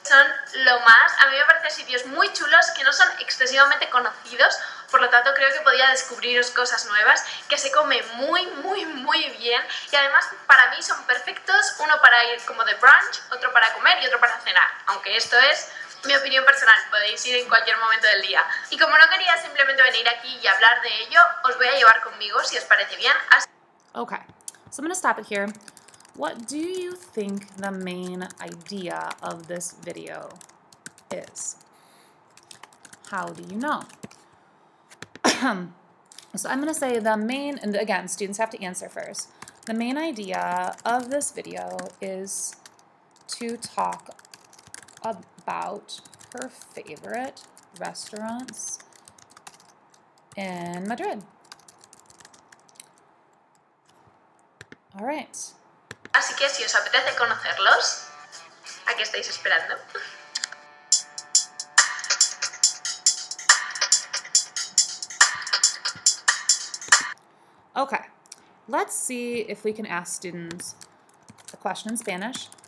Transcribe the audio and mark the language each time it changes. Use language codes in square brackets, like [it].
[es] Son lo más, a mí me parecen sitios muy chulos que no son excesivamente conocidos, por lo tanto creo que podía descubriros cosas nuevas, que se come muy, muy, muy bien y además para mí son perfectos, uno para ir como de brunch, otro para comer y otro para cenar, aunque esto es mi opinión personal, podéis ir en cualquier momento del día. Y como no quería simplemente venir aquí y hablar de ello, os voy a llevar conmigo si os parece bien. Así... [en] Okay, so I'm gonna stop it here. What do you think the main idea of this video is? How do you know? So I'm gonna say the main, and again, students have to answer first. The main idea of this video is to talk about her favorite restaurants in Madrid. All right. [es] Así que si os apetece conocerlos, ¿a qué estáis esperando? [en] Okay, let's see if we can ask students a question in Spanish.